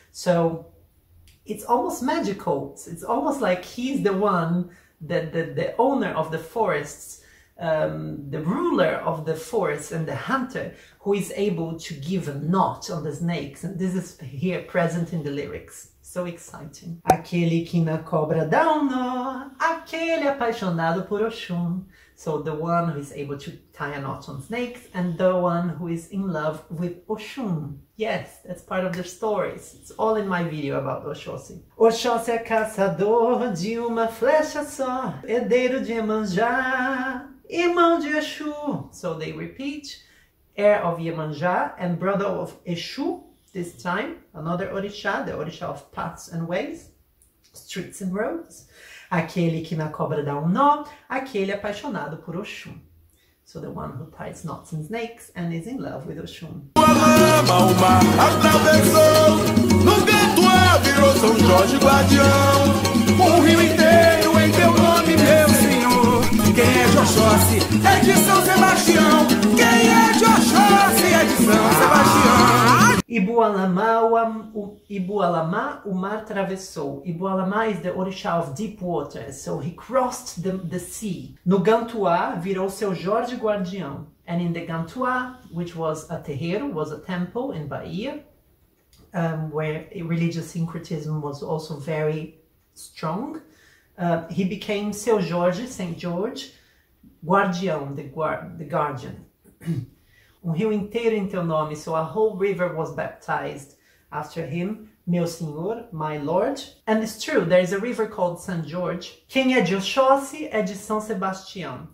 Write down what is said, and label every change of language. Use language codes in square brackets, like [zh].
[en] So it's almost magical. It's almost like he's the one, that the owner of the forests, the ruler of the forest and the hunter, who is able to give a knot on the snakes. And this is here present in the lyrics. So exciting. [pt] Aquele que na cobra dá um nó, aquele apaixonado por Oxum. [en] So the one who is able to tie a knot on snakes and the one who is in love with Oxum. Yes, that's part of the stories. It's all in my video about Oxóssi. [pt] Oxóssi é caçador de uma flecha só, herdeiro de Iemanjá, irmão de Exu. [en] So they repeat, heir of Iemanjá and brother of Exu. This time, another orixá, the orixá of paths and ways, streets and roads. [pt] Aquele que na cobra dá um nó, aquele apaixonado por Oxum. [en] So the one who ties knots and snakes and is in love with Oxum. [pt] Uma lama, uma atravessou, no canto a virou São Jorge Guardião. Um rio inteiro em teu nome, meu senhor. Quem é de Oxóssi é de São Sebastião. Quem é de Oxóssi é de São Sebastião. Ibualamá o mar travessou. [en] Ibualamá is the orixá of deep waters, so he crossed the sea. [pt] No Gantuá virou seu Jorge Guardião. [en] And in the Gantuá, which was a terreiro, was a temple in Bahia, where religious syncretism was also very strong, he became seu Jorge, Saint George, Guardião, the guardian. [pt] Um rio inteiro em teu nome, [en] so a whole river was baptized after him, [pt] meu senhor, [en] my lord. And it's true, there is a river called San George. [pt] Quem é de Oxossi é de São Sebastião.